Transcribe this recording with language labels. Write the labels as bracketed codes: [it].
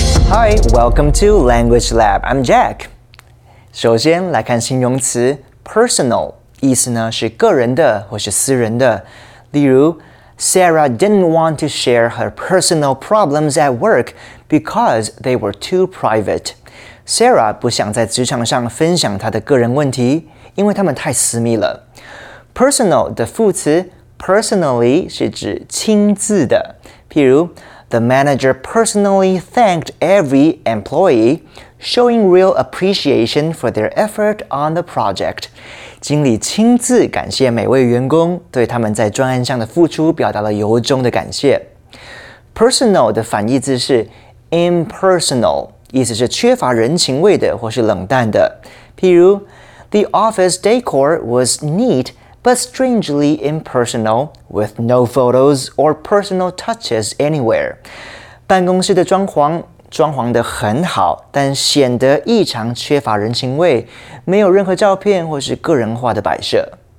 [en] Hi, welcome to Language Lab. I'm Jack. [zh] 首先来看形容词 personal， 意思呢是个人的或是私人的。 [en] 例如 ，Sarah didn't want to share her personal problems at work because they were too private. [zh] Sarah 不想在职场上分享她的个人问题，因为他们太私密了。 Personal 的副词 personally 是指亲自的，譬如 ， [en] The manager personally thanked every employee. Showing real appreciation for their effort on the project. [zh] 经理亲自感谢每位员工对他们在专案上的付出表达了由衷的感谢。 Personal 的反义字是 impersonal, 意思是缺乏人情味的或是冷淡的。 [en] 譬如 The office decor was neat, but strangely impersonal, with no photos or personal touches anywhere. [zh] 办公室的装潢得很好，但显得异常缺乏人情味，没有任何照片或是个人化的摆设。